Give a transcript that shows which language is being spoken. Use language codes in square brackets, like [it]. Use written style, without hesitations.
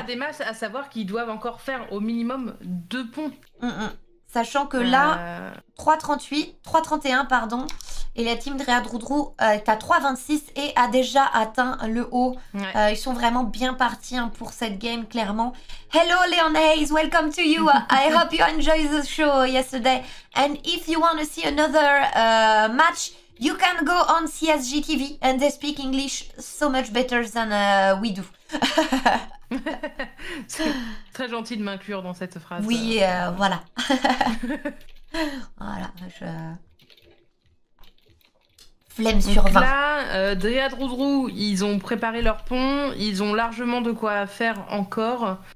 [fr] Pas des masses, à savoir qu'ils doivent encore faire au minimum 2 ponts. Mm-mm. Sachant que là, 331, pardon, et la team Drea Droudrou est à 326 et a déjà atteint le haut. Ouais. Ils sont vraiment bien partis hein, pour cette game, clairement. [en] Hello, Leon Hayes, welcome to you. I hope you enjoyed the show yesterday. And if you want to see another match, you can go on CSG TV and they speak English so much better than we do. [fr] C'est très gentil de m'inclure dans cette phrase. Oui, voilà. Voilà, je... Flemme sur 20. Là, Dryad Roudrou, ils ont préparé leur pont, ils ont largement de quoi faire encore.